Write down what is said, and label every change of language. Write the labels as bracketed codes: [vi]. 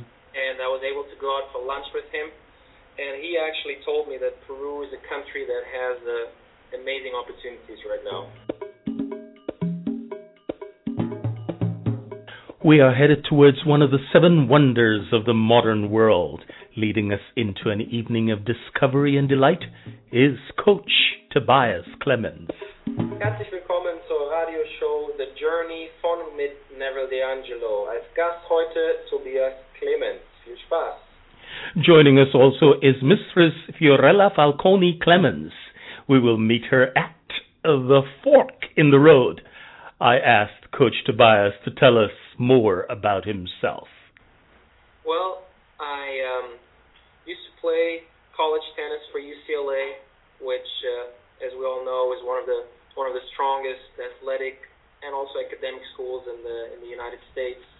[en] and I was able to go out for lunch with him. And he actually told me that Peru is a country that has amazing opportunities right now. We are headed towards one of the seven wonders of the modern world. Leading us into an evening of discovery and delight is Coach Tobias Clemens. [de] Herzlich willkommen zur Radio Show The Journey von mit Neville D'Angelo. Als Gast heute Tobias Clemens. Viel Spaß. [en] Joining us also is Mistress Fiorella Falcone Clemens. We will meet her at the fork in the road. I asked Coach Tobias to tell us more about himself. Well, I used to play college tennis for UCLA, which, as we all know, is one of the strongest athletic and also academic schools in the United States.